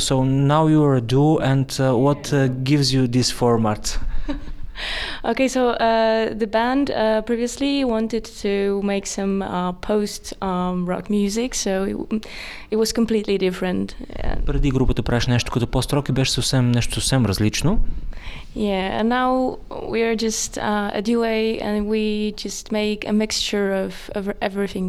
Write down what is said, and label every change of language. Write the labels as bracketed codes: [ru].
[en] So now you are a duo and what gives you this format? Okay, so the band previously wanted to make some post-rock music, so it was completely different. [bg] Преди групата правеше нещо като пост-рок и беше съвсем нещо съвсем различно. [en] Yeah, and now we are just a duo and we just make a mixture of everything.